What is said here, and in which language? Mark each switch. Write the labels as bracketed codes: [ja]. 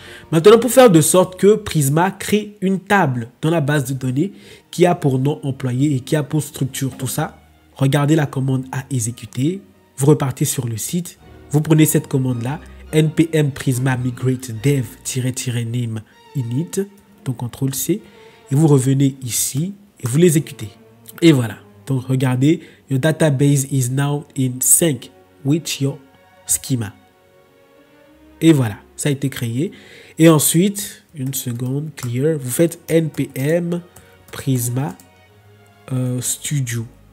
[fr] Maintenant, pour faire de sorte que Prisma crée une table dans la base de données qui a pour nom employé et qui a pour structure tout ça, regardez la commande à exécuter. Vous repartez sur le site. Vous prenez cette commande-là, npm prisma migrate dev-name init, donc CTRL-C, et vous revenez ici et vous l'exécutez. Et voilà. Donc, regardez, [en] your database is now in sync with your schema. [fr] Et voilà, ça a été créé. Et ensuite, une seconde, clear, vous faites npm prisma studio.